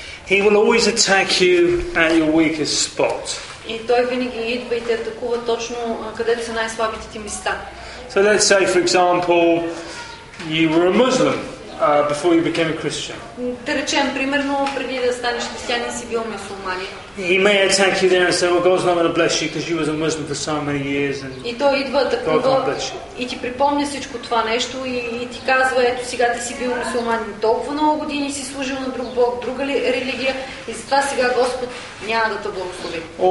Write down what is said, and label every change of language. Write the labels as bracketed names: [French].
[English] He will always attack you at your weakest spot. [Bulgarian] И той винаги идва и те атакува точно където са най-слабите ти места. [English] So let's say, for example, you were a Muslim before you became a Christian. [Bulgarian] Да речем, примерно, преди да станеш християнин си бил мюсюлманин. [English] He may attack you there and say, well, God's not going to bless you because you was a Muslim for so many years. And [Bulgarian] и той идва такова и ти припомня всичко това нещо и ти казва, ето сега ти си бил мюсюлманин толкова много години, си служил на друг бог, друга ли религия и затова сега Господ няма да те благослови.